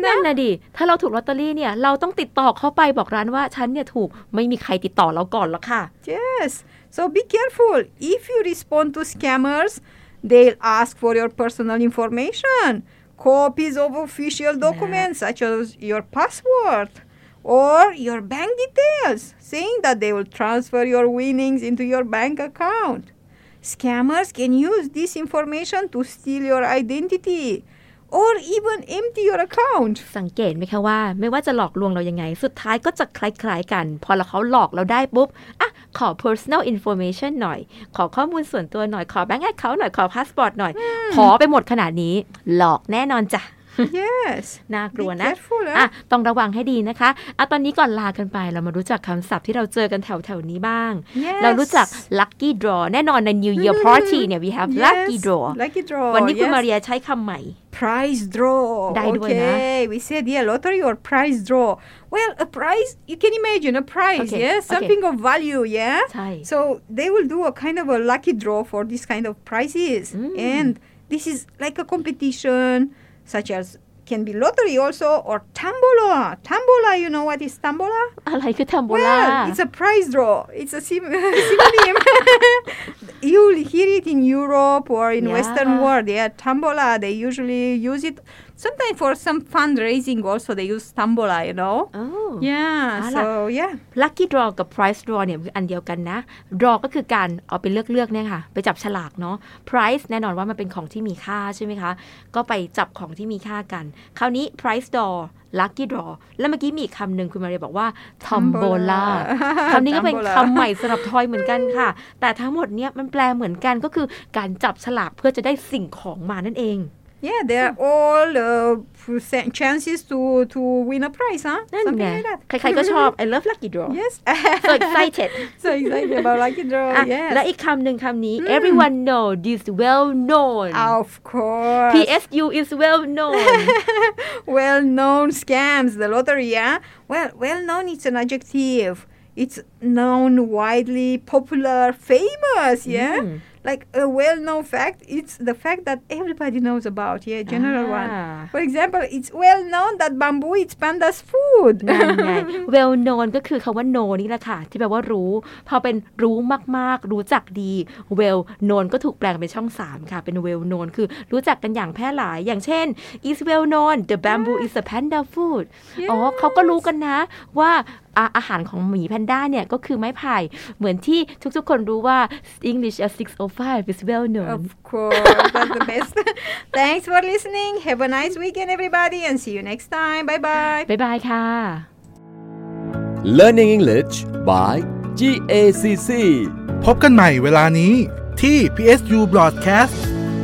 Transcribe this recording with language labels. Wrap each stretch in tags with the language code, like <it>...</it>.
<th>นั่นนะดิถ้าเราถูกลอตเตอรี่เนี่ยเราต้องติดต่อเข้าไปบอกร้านว่าฉันเนี่ยถูกไม่มีใครติดต่อเราก่อนหรอกค่ะ</th> <en>Yes, so be careful. If you respond to scammers, they'll ask for your personal information. Copies of official documents such as your password or your bank details, saying that they will transfer your winnings into your bank account. Scammers can use this information to steal your identity. Or even empty your account.</en> <th>สังเกตไหมคะว่าไม่ว่าจะหลอกลวงเรายังไงสุดท้ายก็จะคล้ายๆกันพอเขาหลอกเราได้ปุ๊บอ่ะขอ personal information หน่อยขอข้อมูลส่วนตัวหน่อยขอ bank account หน่อยขอ passport หน่อย ขอไปหมดขนาดนี้หลอกแน่นอนจ้ะ</th> <en>Yes.</en> <th>น่ากลัวนะ</th> <en>Be careful,</en> <th>อ่ะต้องระวังให้ดีนะคะอ่ะตอนนี้ก่อนลากันไปเรามารู้จักคำศัพท์ที่เราเจอกันแถวๆนี้บ้าง</th> <en>Yes.</en> <th>เรารู้จัก lucky draw แน่นอนใน New Year party เนี่ย</th> <en>we have lucky draw Lucky draw</en> <th>วันนี้คุณมาเรียใช้คำใหม่</th> <en>Prize draw.</en> <th>ได้ด้วยนะ</th> <en>Okay, we said lottery or prize draw. Well, a prize, you can imagine a prize, something of value, So they will do a kind of a lucky draw for this kind of prizes. And this is like a competition, such as can be lottery also, or tambola. Tambola, you know what is tambola? I like a tambola. Well, it's a prize draw. It's a synonym. You'll hear it in Europe or in Western world. Yeah, tambola, they usually use it. Sometimes for some fundraising also, they use tambola, you know? Oh. Yeah, so, yeah.</en> <th>Lucky draw กับ prize draw เนี่ยอันเดียวกันนะ Draw ก็คือการเอาไปเลือกๆเนี่ยค่ะไปจับฉลากเนาะ Prize แน่นอนว่ามันเป็นของที่มีค่าใช่ไหมคะก็ไปจับของที่มีค่ากันคราวนี้ prize drawLucky draw แล้วเมื่อกี้มีคำหนึ่งคุณมาเรียบอกว่า tombola คำนี้ก็เป็นคำใหม่สำหรับทอยเหมือนกันค่ะแต่ทั้งหมดเนี้ยมันแปลเหมือนกันก็คือการจับฉลากเพื่อจะได้สิ่งของมานั่นเอง</th> <en>Yeah, there are all chances to win a prize, huh? Something like that. I love lucky draw. Yes. So excited. So excited about lucky draw, yes.</en> <th>แล้วอีกคำหนึ่งคำนี้</th> <en>Everyone know this well known. Of course. PSU is well known. Well known scams, the lottery, yeah? Well known is an adjective. It's known widely, popular, famous, yeah? Mm. Like a well-known fact, it's the fact that everybody knows about, yeah, general one. For example, it's well-known that bamboo is panda's food.</en> <th>Well-known ก็คือคำว่า know นี่แหละค่ะที่แปลว่ารู้พอเป็นรู้มากๆรู้จักดี well-known ก็ถูกแปลงเป็นช่อง3ค่ะเป็น well-known คือรู้จักกันอย่างแพร่หลายอย่างเช่น</th> <en>is well-known the bamboo is a panda food</en> <th>อ๋อเขาก็รู้กันนะว่าอาหารของหมีแพนด้าเนี่ยก็คือไม้ไผ่เหมือนที่ทุกๆคนรู้ว่า</th> <en>English at 605 is well known. Of course, that's the best. Thanks for listening. Have a nice weekend, everybody, and see you next time. Bye bye. Bye bye ค่ะ Learning English by GACC</en> <th>พบกันใหม่เวลานี้ที่ PSU Broadcast</th>